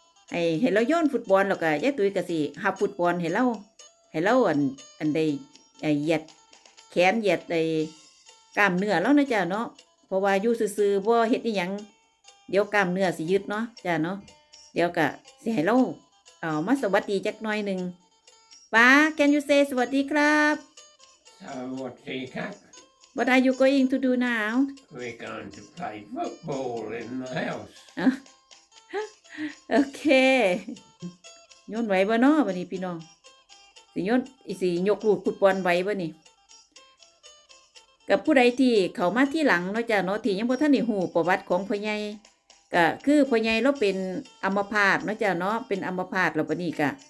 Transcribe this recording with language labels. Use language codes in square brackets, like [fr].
[tts] ให้เราโยนฟุตบอลแล้วก็ยายตุ๋ยก็สิฮับฟุตบอลให้เราอันใดเหยียดแขนเหยียดไอ้กล้ามเนื้อเราเด้อจ้าเนาะเพราะว่าอยู่ซื่อๆบ่เฮ็ดอีหยังเดี๋ยวกล้ามเนื้อสิยืดเนาะจ้าเนาะเดี๋ยวก็สิให้เรามาสวัสดีจักหน่อยหนึ่งป้า [en] Can you say [tts] สวัสดีครับ [th] สวัสดีครับ [en] What are you going to do now? We're going to play football in the house [tts] โอเคโยนไว้บ่เนาะบัดนี้พี่น้องสิโยนสิยกลูกฟุตบอลไว้บ่นี่กับผู้ใดที่เขามาที่หลังเนาะจ้าเนาะที่ยังบ่ทันได้ฮู้ประวัติของพ่อใหญ่ก็คือพ่อใหญ่เราเป็นอัมพาตเนาะจ้าเนาะเป็นอัมพาตแล้วปานนี้ก็